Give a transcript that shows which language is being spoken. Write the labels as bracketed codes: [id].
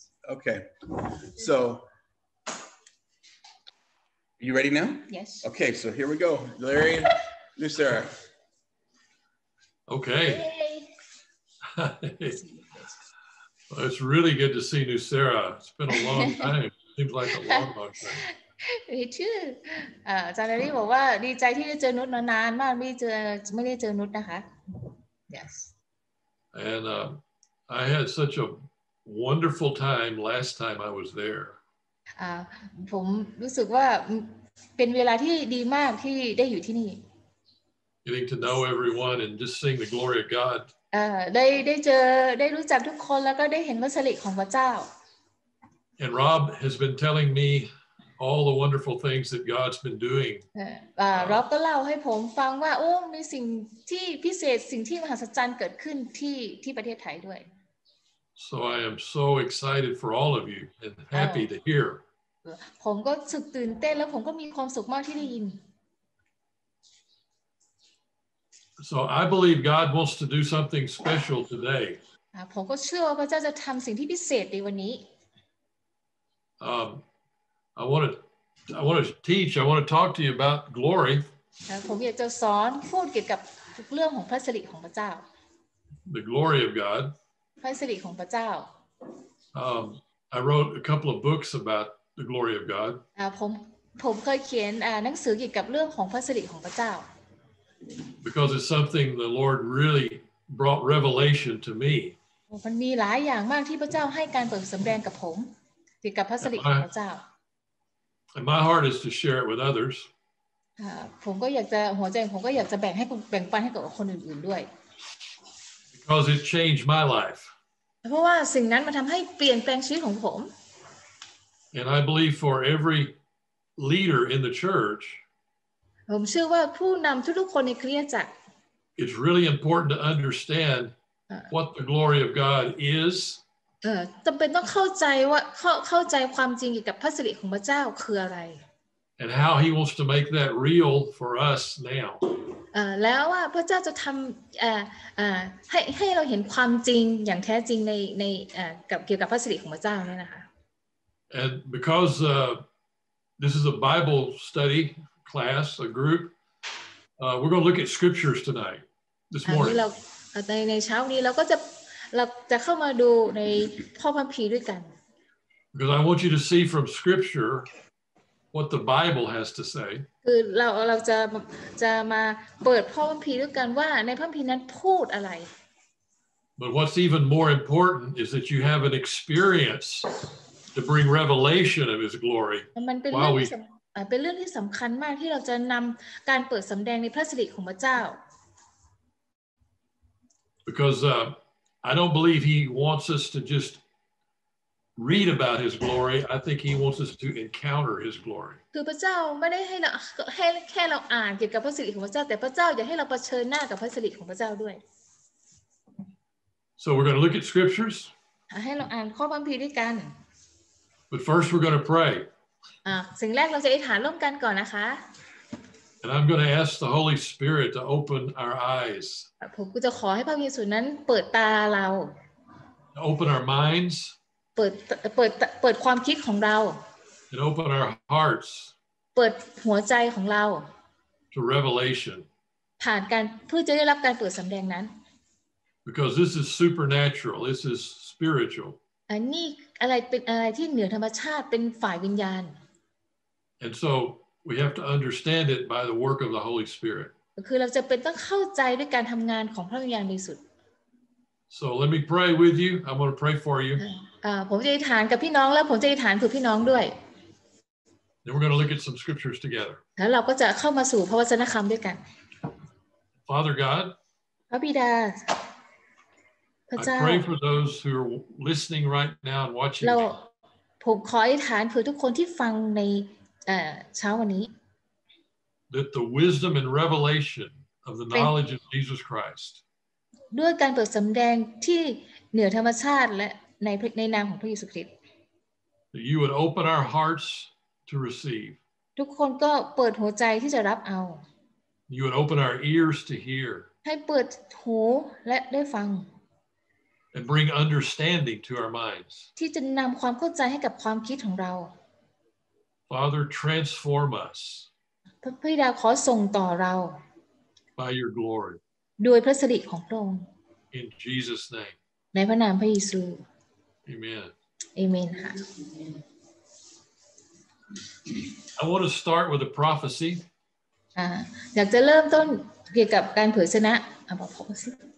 [en] Okay, so you ready now? Yes. Okay, so here we go. Larry, New Sarah. Okay. Well, it's really good to see New Sarah. It's been a long time. Seems like a long time. Me too. Sorry, [th] บอกว่าดีใจที่ได้เจอนุชนานมากไม่ได้เจอนุชนะคะ [en] Yes. And I had such a wonderful time last time I was there. [th] ผมรู้สึกว่าเป็นเวลาที่ดีมากที่ได้อยู่ที่นี่ [en] Getting to know everyone and just seeing the glory of God. [th] ได้รู้จักทุกคนแล้วก็ได้เห็นพระสิริของพระเจ้า [en] And Rob has been telling me all the wonderful things that God's been doing. [th] Rob ก็เล่าให้ผมฟังว่าโอ้มีสิ่งที่พิเศษสิ่งที่มหัศจรรย์เกิดขึ้นที่ประเทศไทยด้วย [en] So I am so excited for all of you and happy to hear. [th] ผมก็สุดตื่นเต้นแล้วผมก็มีความสุขมากที่ได้ยิน [en] So I believe God wants to do something special today. [th] ผมก็เชื่อว่าพระเจ้าจะทำสิ่งที่พิเศษในวันนี้ [en] I want to teach. I want to talk to you about glory. [th] ผมอยากจะสอนพูดเกี่ยวกับเรื่องของพระสิริของพระเจ้า [en] The glory of God. [th] พระสิริของพระเจ้า [en] I wrote a couple of books about the glory of God [th] ผมเคยเขียนหนังสือเกี่ยวกับเรื่องของพระสิริของพระเจ้า [en] Because it's something the Lord really brought revelation to me [th] มันมีหลายอย่างมากที่พระเจ้าให้การเปิดสำแดงกับผมเกี่ยวกับพระสิริของพระเจ้า [en] And my heart is to share it with others [th] ผมก็อยากจะหัวใจผมก็อยากจะแบ่งปันให้กับคนอื่นๆด้วย [en] Because it changed my life. [th] เพราะว่าสิ่งนั้นมันทำให้เปลี่ยนแปลงชีวิตของผม [en] And I believe for every leader in the church. [th] ผมเชื่อว่าผู้นำทุกๆคนในคริสตจักร [en] It's really important to understand what the glory of God is. [th] จำเป็นต้องเข้าใจว่าเข้าใจความจริงเกี่ยวกับพระสิริของพระเจ้าคืออะไร [en] And how He wants to make that real for us now. [th] แล้วว่าพระเจ้าจะทำให้เราเห็นความจริงอย่างแท้จริงในกับเกี่ยวกับพระสิริของพระเจ้าเนี่ยนะคะ [en] And because this is a Bible study class a group we're going to look at scriptures tonight this morning [th] ในเช้านี้เราจะเข้ามาดูในข้อพระคัมภีร์ด้วยกัน [en] Because I want you to see from scripture what the Bible has to say [th] คือเราจะมาเปิดพระคัมภีร์ด้วยกันว่าในพระคัมภีร์นั้นพูดอะไร [en] But what's even more important is that you have an experience to bring revelation of his glory [th] มันเป็นเรื่องที่สำคัญมากที่เราจะนำการเปิดสำแดงในพระสิริของพระเจ้า [en] because I don't believe he wants us to just read about his glory. I think he wants us to encounter his glory. [th] คือพระเจ้าไม่ได้ให้เราให้แค่เราอ่านเกี่ยวกับพระสิริของพระเจ้าแต่พระเจ้าอยากให้เราเผชิญหน้ากับพระสิริของพระเจ้าด้วย [en] So we're going to look at scriptures. [th] ให้เราอ่านข้อพระคัมภีร์ด้วยกัน [en] But first we're going to pray. [th] สิ่งแรกเราจะอธิษฐานร่วมกันก่อนนะคะ [en] And I'm going to ask the Holy Spirit to open our eyes. [th] ผมก็จะขอให้พระวิญญาณบริสุทธิ์นั้นเปิดตาเรา [en] Open our minds. [th] เปิดความคิดของเรา [en] And open our hearts. [th] เปิดหัวใจของเรา [en] To revelation. [th] ผ่านการเพื่อจะได้รับการเปิดสำแดงนั้น [en] Because this is supernatural, this is spiritual. [th] นี่อะไรเป็นอะไรที่เหนือธรรมชาติเป็นฝ่ายวิญญาณ [en] And so we have to understand it by the work of the Holy Spirit. [th] คือเราจะเป็นต้องเข้าใจด้วยการทำงานของพระวิญญาณบริสุทธิ์ [en] So let me pray with you. I'm going to pray for you. [th] ผมจะอธิษฐานกับพี่น้องแล้วผมจะอธิษฐานเพื่อพี่น้องด้วย [en] Then we're going to look at some scriptures together. [th] แล้วเราก็จะเข้ามาสู่พระวจนะคำด้วยกัน [en] Father God. [th] พระบิดา [en] I pray for those who are listening right now and watching. [th] เราผมขออธิษฐานเพื่อทุกคนที่ฟังในเช้าวันนี้ [en] That the wisdom and revelation of the knowledge of Jesus Christ. [th] ด้วยการเปิดสำแดงที่เหนือธรรมชาติและในนามของพระเยซูคริสต์ [en] That you would open our hearts to receive. [th] ทุกคนก็เปิดหัวใจที่จะรับเอา [en] You would open our ears to hear. [th] ให้เปิดหูและได้ฟัง [en] And bring understanding to our minds. [th] ที่จะนำความเข้าใจให้กับความคิดของเรา [en] Father, transform us. [th] พระบิดาขอทรงต่อเรา [en] By your glory. [th] ด้วยพระสิริของพระองค์ [en] In Jesus' name. [th] ในพระนามพระเยซู [en] Amen. [th] Amen. ค่ะ [en] I want to start with a prophecy. [th] อยากจะเริ่มต้นเกี่ยวกับการเผยชนะบอกพ่อสิ